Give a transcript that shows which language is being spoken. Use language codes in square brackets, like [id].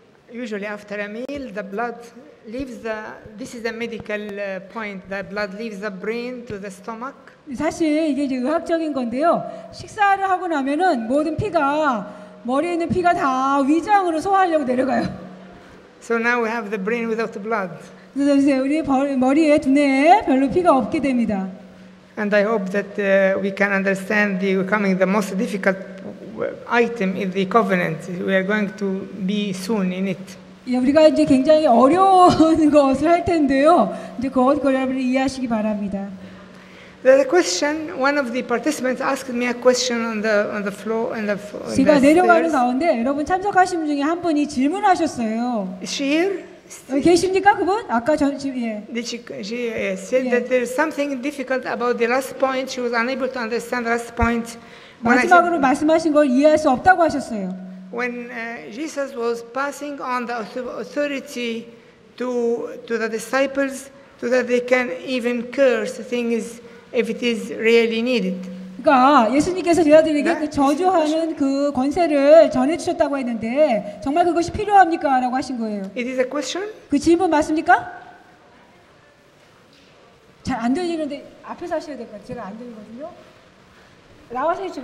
[en] Usually after a meal, the blood leaves the, this is a medical point, the blood leaves the brain to the stomach. [ko] 사실 이게 이제 의학적인 건데요. 식사를 하고 나면은 모든 피가 머리에 있는 피가 다 위장으로 소화하려고 내려가요. [en] So now we have the brain without the blood. [ko] 그래서 우리 머리에 두뇌에 별로 피가 없게 됩니다. [en] And I hope that we can understand the coming the most difficult item in the covenant. We are going to be soon in it. [ko] 예, 우리가 이제 굉장히 어려운 것을 할 텐데요. 이제 그걸 여러분이 이해하시기 바랍니다. [en] The question, one of the participants asked me a question on the floor and the stairs. [ko] 제가 내려가는 가운데 여러분 참석하신 중에 한 분이 질문하셨어요. [en] Is she here? [ko] 계십니까 그분? 아까 전 지금 예. [en] Did she said that there's something difficult about the last point. She was unable to understand the last point. [ko] 마지막으로 말씀하신 걸 이해할 수 없다고 하셨어요. [en] When Jesus was passing on the authority to the disciples, so that they can even curse things if it is really needed. [ko] 그러니까 예수님께서 제자들에게 그 저주하는 그 권세를 전해 주셨다고 했는데 정말 그것이 필요합니까라고 하신 거예요. [en] It is a question. [ko] 그 질문 맞습니까? 잘 안 들리는데 앞에서 하셔야 될 것 같아요. 제가 안 들리거든요. 나와서 해주세요.